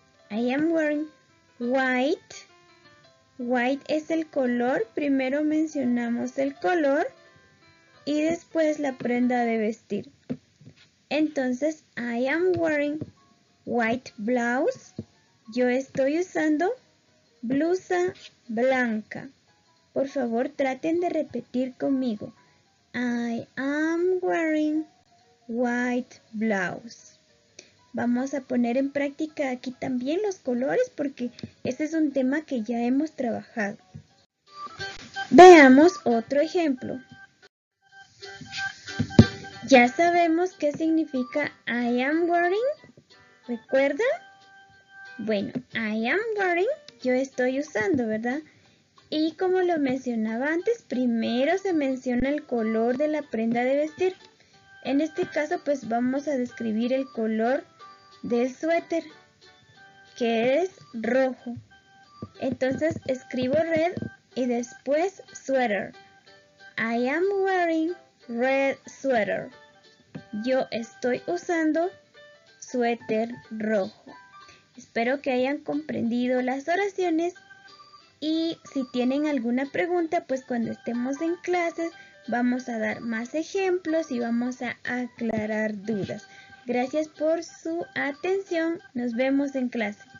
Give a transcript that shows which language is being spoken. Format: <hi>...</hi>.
<en>I am wearing white. White</en> <es>es el color, primero mencionamos el color y después la prenda de vestir.</es> <en>Entonces, I am wearing white blouse.</en> <es>Yo estoy usando blusa blanca. Por favor, traten de repetir conmigo.</es> <en>I am wearing white blouse.</en> <es>Vamos a poner en práctica aquí también los colores porque ese es un tema que ya hemos trabajado. Veamos otro ejemplo. Ya sabemos qué significa</es> <en>I am wearing,</en> <es>¿recuerdan? Bueno,</es> <en>I am wearing,</en> <es>yo estoy usando, ¿verdad? Y como lo mencionaba antes, primero se menciona el color de la prenda de vestir. En este caso, pues vamos a describir el color del suéter, que es rojo. Entonces escribo red y después sweater.</es> <en>I am wearing red sweater.</en> <es>Yo estoy usando suéter rojo. Espero que hayan comprendido las oraciones. Y si tienen alguna pregunta, pues cuando estemos en clases vamos a dar más ejemplos y vamos a aclarar dudas. Gracias por su atención. Nos vemos en clase.</es>